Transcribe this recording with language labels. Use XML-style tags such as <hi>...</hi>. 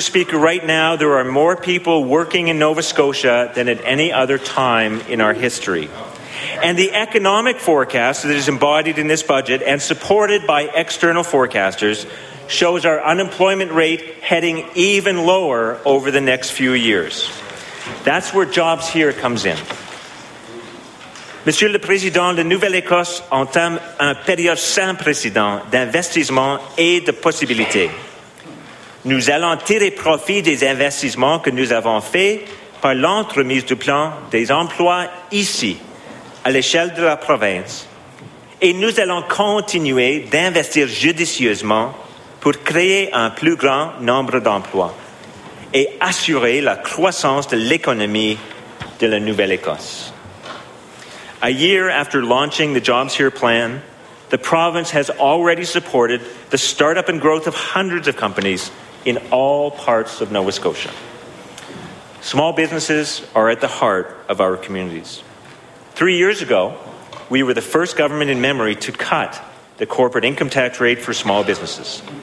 <en>Speaker, right now there are more people working in Nova Scotia than at any other time in our history. And the economic forecast that is embodied in this budget and supported by external forecasters shows our unemployment rate heading even lower over the next few years. That's where Jobs Here comes in.</en> <fr>Monsieur le Président, la Nouvelle-Écosse entame un période sans précédent d'investissement et de possibilités. Nous allons tirer profit des investissements que nous avons faits par l'entremise du plan des emplois ici, à l'échelle de la province. Et nous allons continuer d'investir judicieusement pour créer un plus grand nombre d'emplois et assurer la croissance de l'économie de la Nouvelle-Écosse.</fr> <en>A year after launching the Jobs Here plan, the province has already supported the startup and growth of hundreds of companies in all parts of Nova Scotia. Small businesses are at the heart of our communities. 3 years ago, we were the first government in memory to cut the corporate income tax rate for small businesses.</en>